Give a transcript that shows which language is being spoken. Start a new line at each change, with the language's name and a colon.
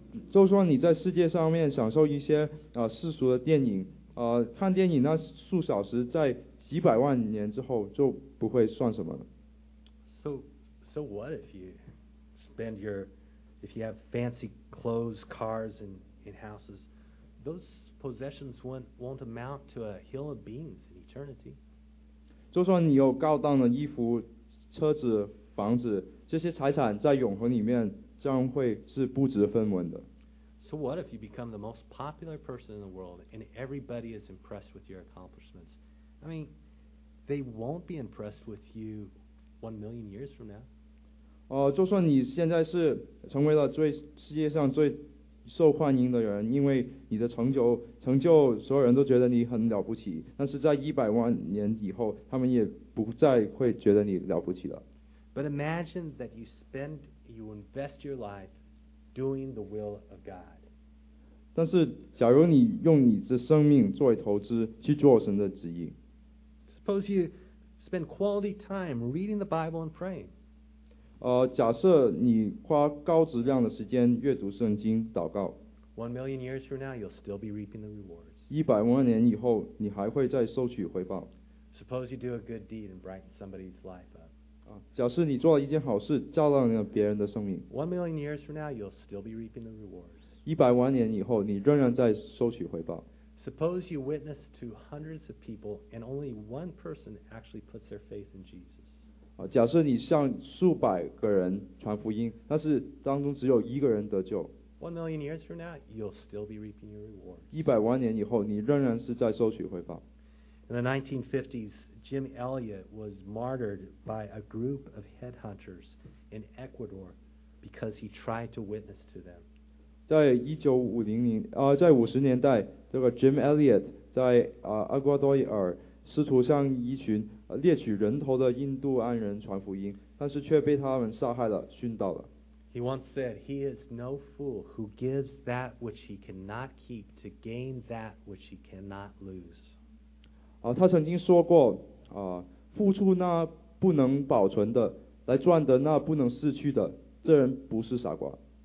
Chinese: 就算你在世界上面享受一些世俗的电影，看电影那数小时在几百万年之后就不会算什么了。
English: So what if you spend if you have fancy clothes, cars, and houses, those possessions won't amount to a hill of beans in eternity.
Chinese: 就算你有高档的衣服、车子、房子，这些财产在永恒里面将会是不值分文的。
English: So what if you become the most popular person in the world and everybody is impressed with your accomplishments? I mean, they won't be impressed with you 1 million years from now.
Chinese: 就算你现在是成为了世界上最受欢迎的人，因为你的成就，所有人都觉得你很了不起。但是在100万年以后，他们也不再会觉得你了不起了。
English: But imagine that you invest your life doing the will of God.
Chinese: 但是，假如你用你的生命作为投资，去做神的旨意。
English: Suppose you spend quality time reading the Bible and praying.
Chinese: 假设你花高质量的时间阅读圣经、祷告。
English: 1 million years from now, you'll still be reaping the rewards.
Chinese: 100万年以后，你还会再收取回报。
English: Suppose you do a good deed and brighten somebody's life up.
Chinese: 假设你做了一件好事，照亮了别人的生命。
English: 1 million years from now, you'll still be reaping the rewards.
Chinese: 100万年以后，你仍然在收取回报。
English: Suppose you witness to hundreds of people and only one person actually puts their faith in Jesus.
Chinese: 假设你向数百个人传福音，但是当中只有一个人得救。
English: 1 million years from now, you'll still be reaping your reward.
Chinese: 100万年以后，你仍然是在收取回报。
English: In the 1950s, Jim Elliot was martyred by a group of headhunters in Ecuador because he tried to witness to them.
Chinese: 在50年代，这个 Jim Elliot 在厄瓜多尔试图向一群猎取人头的印度安人传福音，但是却被他们杀害了，殉道了。
English: He once said, "He is no fool who gives that which he cannot keep to gain that which he cannot lose."
Chinese: 他曾经说过，付出那不能保存的，来赚得那不能失去的，这人不是傻瓜。